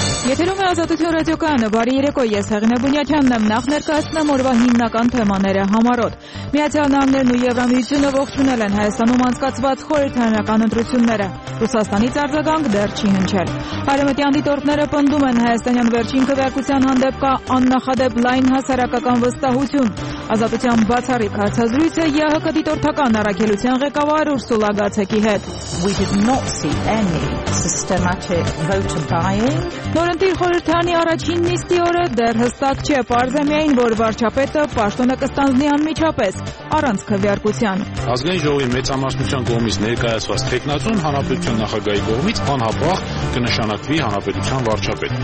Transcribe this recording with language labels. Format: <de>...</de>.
<hy>Եթերում է Ազատության ռադիոկայանը, բարի երեկո, ես Հեղինե Բունյաչյանն եմ, նախ ներկայացնեմ օրվա հիմնական թեմաները համարոտ։ Միացյալ Նահանգներն ու Եվրամիությունը ողջունել են Հայաստանում անցկացված խորհրդարանական ընտրությունները։ Ռուսաստանից արձագանք դեռ չի հնչել։ Արևմտյան դիտորդները պնդում են Հայաստանյան վերջին քվեարկության հանդեպ կա աննախադեպ լայն հասարակական վստահություն։ Ազատության բացառիկ հարցազրույցը ԵՀԿ դիտորդական առաքելության ղեկավար Ուրսուլա Գացեկի հետ։</hy> <en>We did not see any systematic voter buying.</en> <hy>Նորընտիր խորհրդարանի առաջին նիստի օրը դեռ հստակ չէ, պարզ է միայն, որ վարչապետը պաշտոնը կստանձնի անմիջապես, առանց քվեարկության։ Ազգային ժողովի մեծամասնության կողմից ներկայացված թեկնածուն հանրապետության նախագահի կողմից անհապաղ կնշանակվի հանրապետության վարչապետ։</hy>